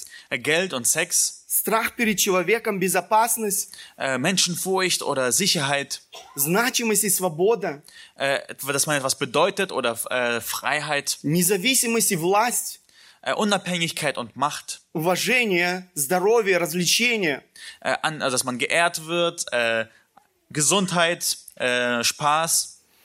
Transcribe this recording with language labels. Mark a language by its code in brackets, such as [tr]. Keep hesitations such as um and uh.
[de] Geld und Sex. [ru] Страх перед человеком, [de] Menschenfurcht oder Sicherheit, [ru] значимость и свобода, [de] dass man etwas bedeutet oder Freiheit, [ru] независимость и [de] Unabhängigkeit und Macht. [ru] Уважение, здоровье, развлечение. [de] dass man geehrt wird, Gesundheit, Spaß.